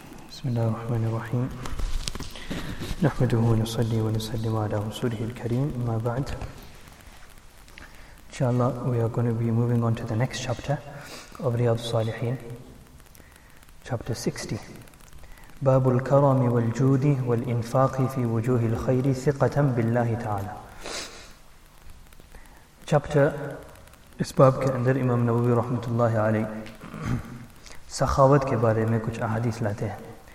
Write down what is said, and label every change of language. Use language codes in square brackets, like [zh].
[ar] بسم الله الرحمن الرحيم نحمده ونصلي ونسلم على رسوله الكريم ما بعد [en] Inshallah, we are going to be moving on to the next chapter of Riyadh Salihin, chapter 60. [ar] باب الكرم والجود والإنفاق في وجوه الخير ثقة بالله تعالى. [en] Chapter is [ur] باب کے اندر امام نبوی رحمت اللہ علیہ سخاوت کے بارے میں کچھ احادیث لاتے ہیں.